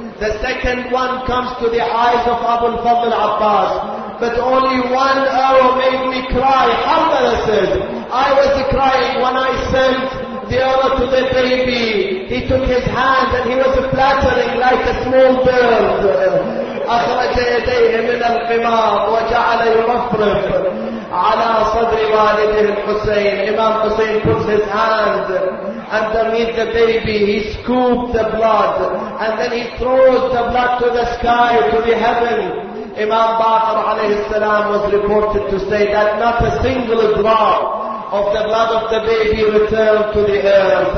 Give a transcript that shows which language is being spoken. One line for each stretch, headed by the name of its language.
English: The second one comes to the eyes of Abu al-Fadl Abbas. But only one arrow made me cry. Hamal says, I was crying when I sent the arrow to the baby. He took his hand and he was fluttering like a small bird.
Arabic: أخرج يديه من القمار وجعل يرفرف على صدر والده الحسين.
English: Imam Hussein puts his hand underneath the baby. He scooped the blood and then he throws the blood to the sky, to the heaven. Imam Baqir alayhi salam was reported to say that not a single drop of the blood of the baby returned to the earth.